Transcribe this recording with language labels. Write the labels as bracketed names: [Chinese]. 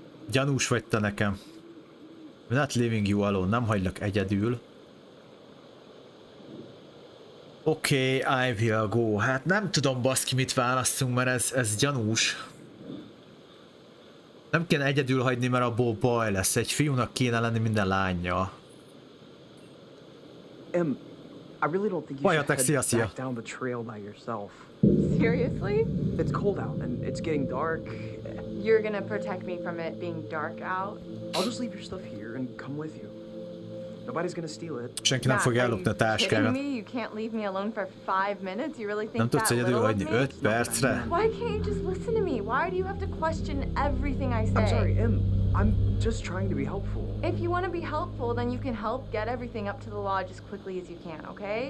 [Hungarian] Gyanús vagy te nekem. [English] Not leaving you alone, [Hungarian] nem hagylak egyedül. Oké, [English] okay, I will go. [Hungarian] Hát nem tudom, baszki, mit választunk, mert ez gyanús. Nem kéne egyedül hagyni, mert abból baj lesz. Egy fiúnak kéne lenni minden lánya. [English] Em, I really don't think you should head back down the trail by yourself. Seriously? It's cold out and it's getting dark. You're gonna protect me from it being dark out? I'll just leave your stuff here and come with you. Nobody's gonna steal it. [Hungarian] Senki nem fog ellopni a táskámat. [English] You can't leave me alone for 5 minutes? You really think [Hungarian] nem tudsz egyedül hagyni 5 percre? [English] Why can't you just listen to me? Why do you have to question everything I say? I'm sorry, Em. I'm just trying to be helpful. If you want to be helpful, then you can help get everything up to the lodge as quickly as you can, okay?